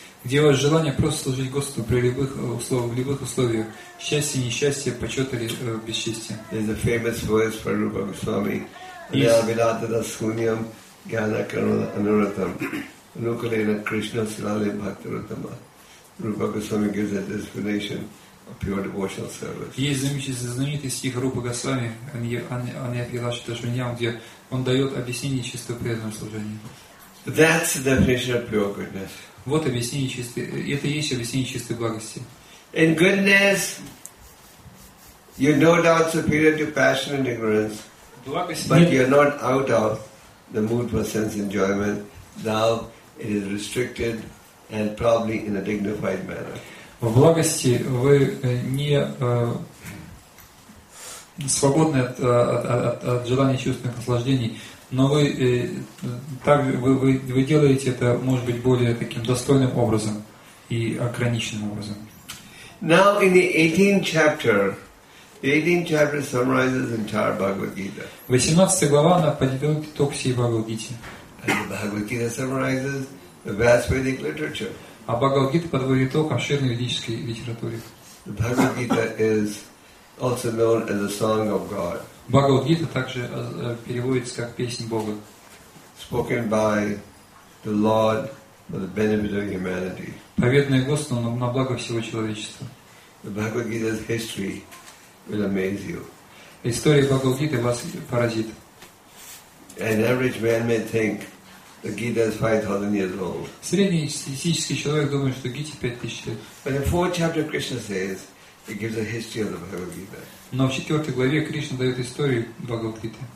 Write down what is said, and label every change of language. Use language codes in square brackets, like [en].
[ru] Где у вас желание просто служить Господу при любых условиях, в любых условиях, счастье, несчастье, почет или бесчестие. [en] There's a famous verse from Rupa Goswami. [sa] Yavidatada sunyam gyana karuna anuratam nukalena krishna silale bhaktarutama. [en] Rupa Goswami gives that explanation of pure devotional service. [ru] Есть знаменитый стих Рупа Госвами, Аньяпилашита Шуньям, где он дает объяснение чистого преданного служения. [en] That's the definition of pure goodness. [ru] Вот объяснение чистой, это и есть объяснение чистой благости. [en] In goodness, you're no doubt superior to passion and ignorance, [ru] благость, [en] but you're not out of the mood for sense enjoyment. Now it is restricted and probably in a dignified manner. [ru] В благости вы не свободны от желания чувственных наслаждений. Но вы делаете это, может быть, более таким достойным образом и ограниченным образом. [en] Now in the 18th chapter, the 18th chapter summarizes entire Bhagavad Gita. [ru] 18 глава она подведет итог всей Бхагавад Гите. [en] And the Bhagavad Gita summarizes the vast Vedic literature. [ru] А Бхагавад Гита подводит итог обширной ведической литературе. [en] The Bhagavad Gita is also known as the Song of God. [ru] Бхагавад-гита также переводится как «Песнь Бога». [en] Spoken by the Lord for the benefit of humanity. [ru] Поведанное Господом на благо всего человечества. [en] The Bhagavad-gita's history will amaze you. [ru] История Бхагавад-гиты вас поразит. [en] An average man may think the Gita is 5,000 years old. [ru] Средний статистический человек думает, что Гите 5,000 лет. [en] But in 4th chapter Krishna says, it gives a history of the Bhagavad-gita. [ru] Но в 4 главе Кришна дает историю Бхагавад-гиты.